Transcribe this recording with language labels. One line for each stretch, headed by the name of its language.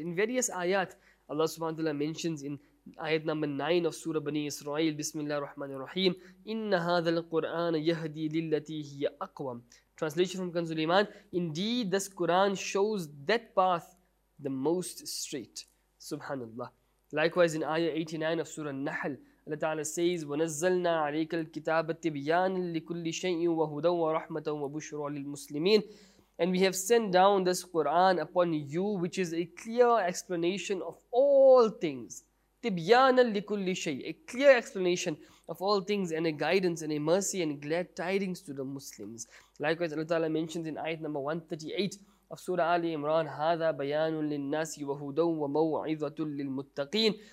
English: In various ayat, Allah subhanahu wa ta'ala mentions in ayat number 9 of Surah Bani Israel, Bismillah ar-Rahman ar-Rahim,
Arabic: Inna hadha al-Qur'ana yahdi lillati hiya aqwam.
English: Translation from Khan Suleiman, indeed this Quran shows that path the most straight. Subhanallah. Likewise in ayah 89 of Surah Nahl, Allah Ta'ala says,
Arabic: وَنَزَّلْنَا عَلَيْكَ الْكِتَابَ تِبْيَانًا لِكُلِّ شَيْءٍ وَهُدًى وَرَحْمَةً وَبُشْرًا لِلْمُسْلِمِينَ.
English: And we have sent down this Quran upon you, which is a clear explanation of all things.
Arabic: تِبْيَانًا لِكُلِّ شَيْءٍ,
English: a clear explanation of all things, and a guidance and a mercy and glad tidings to the Muslims. Likewise, Allah Ta'ala mentions in ayat number 138 of Surah Ali Imran,
Arabic: هَذَا بَيَانٌ لِلنَّاسِ وَهُدًى وَمَوْعِذَةٌ لِلْمُتَّقِينَ.